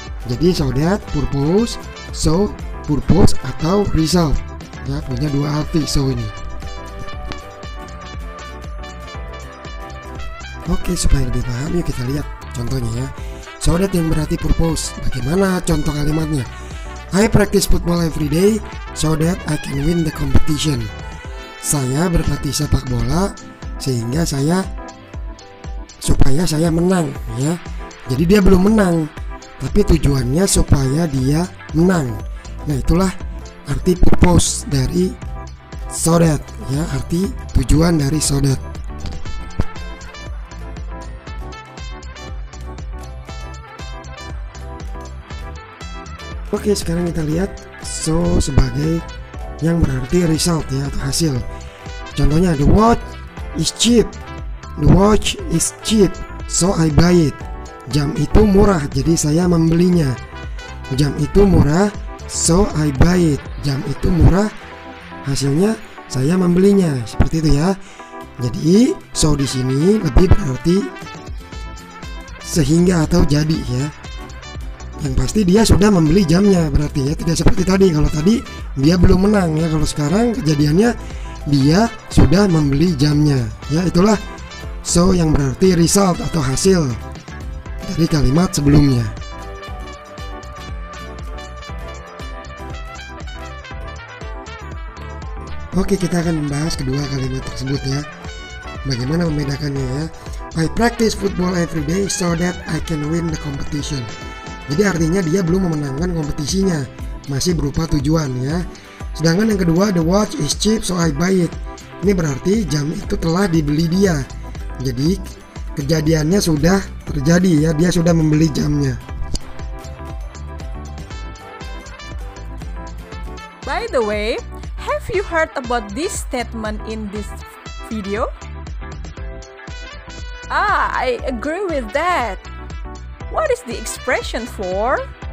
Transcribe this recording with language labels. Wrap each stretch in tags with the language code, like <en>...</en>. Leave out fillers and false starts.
<id>Jadi so that purpose, so purpose atau result ya, punya dua arti so ini. Oke, supaya lebih paham yuk kita lihat contohnya ya. So that yang berarti purpose. Bagaimana contoh kalimatnya?</id> <en>I practice football every day so that I can win the competition.</en> <id>Saya berlatih sepak bola sehingga saya supaya saya menang ya. Jadi dia belum menang, tapi tujuannya supaya dia menang. Nah, itulah arti purpose dari so that ya, arti tujuan dari so that. Oke, sekarang kita lihat so sebagai yang berarti result ya, atau hasil.</id> <en>Contohnya, the watch is cheap. The watch is cheap, so I buy it.</en> <id>Jam itu murah, jadi saya membelinya. Jam itu murah,</id> <en>so I buy it.</en> <id>Jam itu murah, hasilnya saya membelinya. Seperti itu ya. Jadi, so di sini lebih berarti sehingga atau jadi ya. Yang pasti dia sudah membeli jamnya, berarti ya tidak seperti tadi. Kalau tadi dia belum menang ya, kalau sekarang kejadiannya dia sudah membeli jamnya ya. Itulah so yang berarti result atau hasil dari kalimat sebelumnya. Oke, kita akan membahas kedua kalimat tersebut ya, bagaimana membedakannya ya.</id> <en>I practice football every day so that I can win the competition.</en> <id>Jadi artinya dia belum memenangkan kompetisinya, masih berupa tujuan ya. Sedangkan yang kedua,</id> <en>the watch is cheap so I buy it.</en> <id>Ini berarti jam itu telah dibeli dia. Jadi kejadiannya sudah terjadi ya, dia sudah membeli jamnya.</id> <en>By the way, have you heard about this statement in this video? I agree with that. What is the expression for?</en>